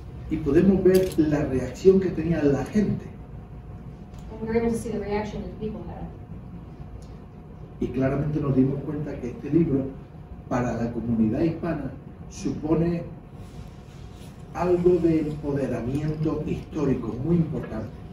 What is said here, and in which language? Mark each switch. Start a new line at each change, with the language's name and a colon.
Spanish: Y podemos ver la reacción que tenía la gente.
English: We were able to see the reaction that people had.
Spanish: Y claramente nos dimos cuenta que este libro para la comunidad hispana supone algo de empoderamiento histórico muy importante.